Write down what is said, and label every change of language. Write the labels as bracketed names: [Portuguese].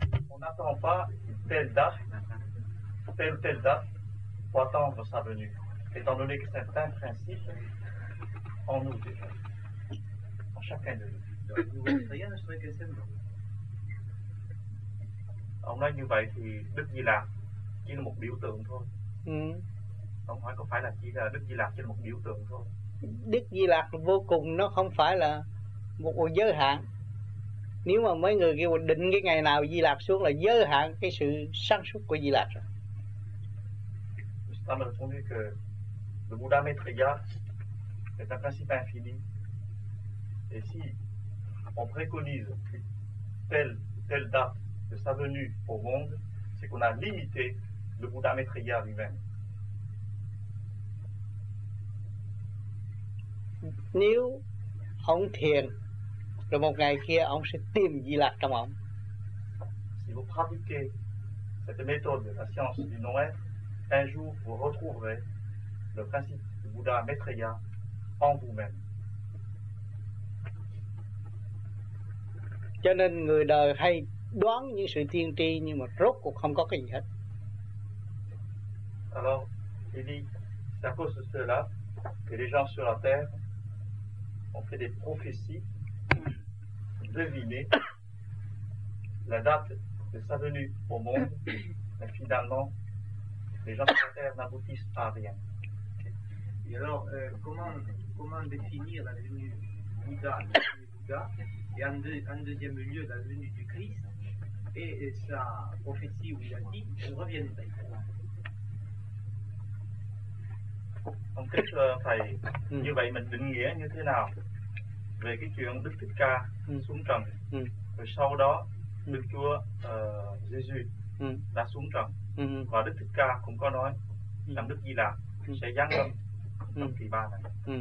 [French] On n'attend pas telle date pour attendre sa venue, étant donné que c'est un principe en nous déjà, en chacun de nous. [Vietnamese] Ông nói như vậy thì Đức Di Lạc chỉ là một biểu tượng thôi. Ông hỏi có phải là chỉ là Đức Di Lạc chỉ là một biểu tượng thôi? Đức Di Lạc vô cùng, nó không phải là một giới hạn. Nếu mà mấy người kêu định cái ngày nào Di Lạc xuống là giới hạn cái sự sáng suốt của Di Lạc rồi. [French] Nous avons entendu que le Bouddha Maitreya est un principe infini. Et si on préconise telle date de sa venue au monde, c'est qu'on a limité le Bouddha Maitreya lui-même. [Vietnamese] Nếu ông thiền, rồi một ngày kia ông sẽ tìm Di Lặc trong ông. [French] Si vous pratiquez cette méthode de la science du non-être, un jour vous retrouverez le principe du Bouddha Maitreya en vous-même. [Vietnamese] Cho nên người đời hay đoán những sự tiên tri, nhưng mà rốt cuộc không có cái gì hết. [French] Alors, il dit, c'est à cause de cela que les gens sur la terre ont fait des prophéties devinées la date de sa venue au monde, mais finalement, les gens sur la Terre n'aboutissent pas à rien. Et alors, comment définir la venue du Bouddha, et en deuxième lieu, la venue du Christ et sa prophétie où il a dit je reviendrai. [Vietnamese] Ông kính thưa thầy, như vậy mình định nghĩa như thế nào về cái chuyện Đức Thích Ca xuống trần, rồi sau đó Đức Chúa Jesus đã xuống trần, và Đức Thích Ca cũng có nói rằng Đức Di Lạc sẽ giáng lâm trong kỳ ba này.